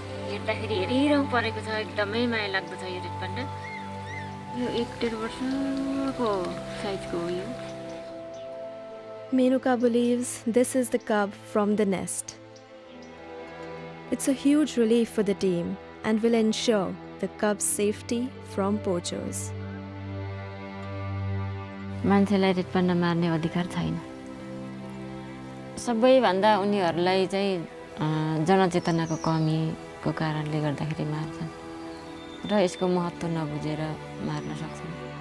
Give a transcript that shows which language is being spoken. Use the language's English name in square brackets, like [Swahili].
[Nepali] हेर्दाखेरि हेरिरहनु परेको छ एकदमै माया लाग्दो छ यो रेड पान्डा यो एक डेढ वर्षको साइजको हो यो [English] Menuka believes this is the cub from the nest. It's a huge relief for the team and will ensure the cub's safety from poachers. [Nepali] मान्छेलाई रेड पान्डा मार्ने अधिकार छैन सबैभन्दा उनीहरूलाई चाहिँ जनचेतनाको कमीको कारणले गर्दाखेरि मार्छन् र यसको महत्त्व नबुझेर मार्न सक्छन्